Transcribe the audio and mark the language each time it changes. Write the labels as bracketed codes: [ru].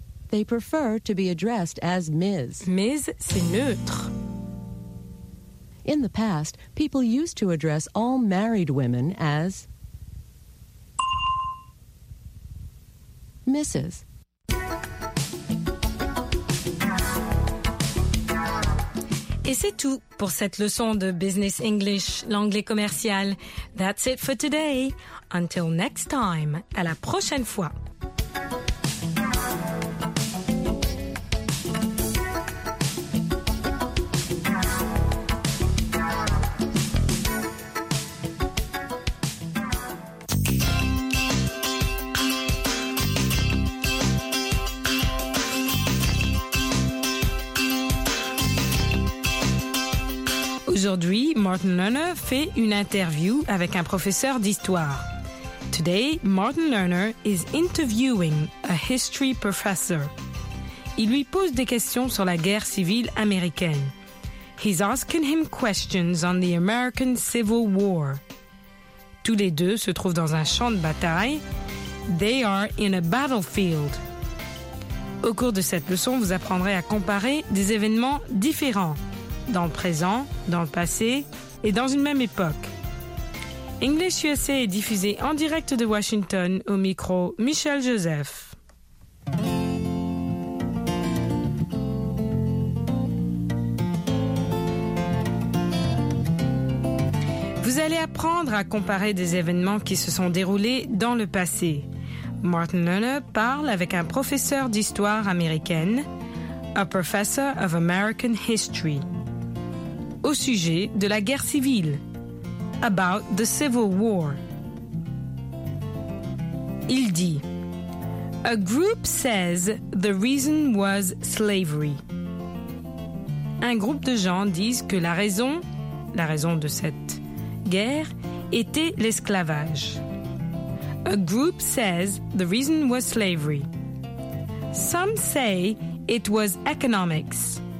[en] They prefer to be addressed as Ms. [fr] Ms, c'est neutre. [en] In the past, people used to address all married women as Mrs. [fr] Et c'est tout pour cette leçon de Business English, l'anglais commercial. [en] That's it for today. Until next time, [fr] à la prochaine fois. Aujourd'hui, Martin Lerner fait une interview avec un professeur d'histoire. [en] Today, Martin Lerner is interviewing a history professor. [fr] Il lui pose des questions sur la guerre civile américaine. [en] He's asking him questions on the American Civil War. [fr] Tous les deux se trouvent dans un champ de bataille. [en] They are in a battlefield. [fr] Au cours de cette leçon, vous apprendrez à comparer des événements différents. Dans le présent, dans le passé et dans une même époque. English USA est diffusé en direct de Washington au micro Michel Joseph. Vous allez apprendre à comparer des événements qui se sont déroulés dans le passé. Martin Lerner parle avec un professeur d'histoire américaine, [en] a professor of American history. [fr] Au sujet de la guerre civile. [en] About the Civil War. [fr] Il dit: [en] A group says the reason was slavery. [fr] Un groupe de gens disent que la raison de cette guerre était l'esclavage. [en] A group says the reason was slavery. Some say it was economics.